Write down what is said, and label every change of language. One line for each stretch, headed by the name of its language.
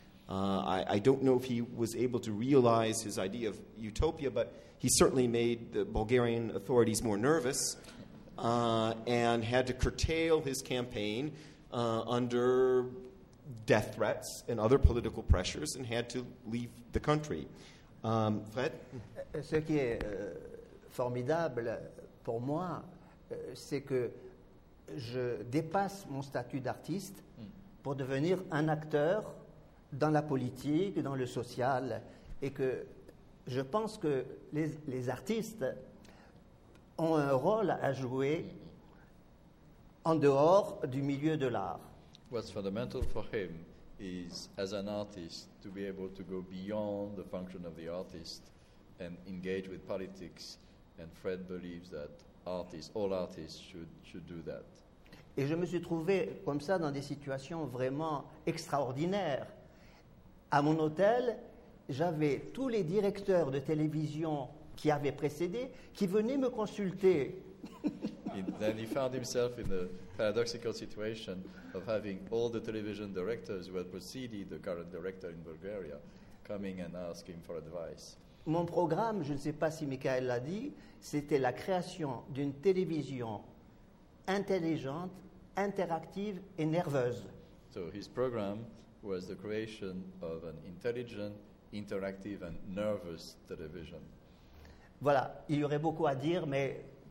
English: I don't know if he was able to realize his idea of utopia, but he certainly made the Bulgarian authorities more nervous and had to curtail his campaign under death threats and other political pressures and had to leave the country. Fred?
French: Ce qui est formidable pour moi, c'est que je dépasse mon statut d'artiste pour devenir un acteur dans la politique, dans le social, et que je pense que les artistes ont un rôle à jouer en dehors du milieu de l'art.
English: What's fundamental for him is, as an artist, to be able to go beyond the function of the artist and engage with politics. And Fred believes that artists, all artists, should do that.
French: Et je me suis trouvé comme ça dans des situations vraiment extraordinaires. À mon hôtel, j'avais tous les directeurs de télévision qui avaient précédé, qui venaient me consulter.
English: Then he found himself in the paradoxical situation of having all the television directors who had preceded the current director in Bulgaria coming and asking him for advice.
French: Mon programme, je ne sais pas si Michael l'a dit, c'était la création d'une télévision intelligente, interactive et nerveuse.
English: So his program was the creation of an intelligent, interactive and nervous television.
French: Voilà, il y aurait beaucoup à dire, mais